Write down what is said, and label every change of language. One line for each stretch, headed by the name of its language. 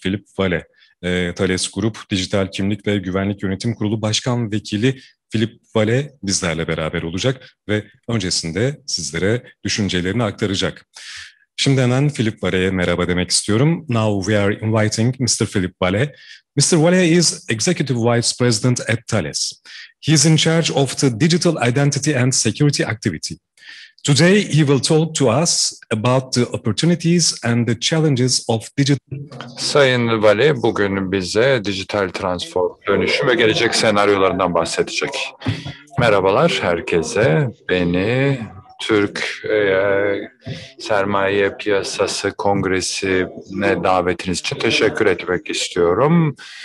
Turkish: Philip Vale, Thales Group Dijital Kimlik ve Güvenlik Yönetim Kurulu Başkan Vekili Philip Vale bizlerle beraber olacak ve öncesinde sizlere düşüncelerini aktaracak. Şimdi hemen Philip Vale'ye merhaba demek istiyorum.
English: Now we are inviting Mr. Philip Vale. Mr. Vale is Executive Vice President at Thales. He is in charge of the digital identity and security activity. Today he will talk to us about the opportunities and the challenges of digital.
Turkish: Sayın Vali bugün bize dijital transform, dönüşüm ve gelecek senaryolarından bahsedecek. Merhabalar herkese. Beni Türk Sermaye Piyasası Kongresi'ne davetiniz için teşekkür etmek istiyorum.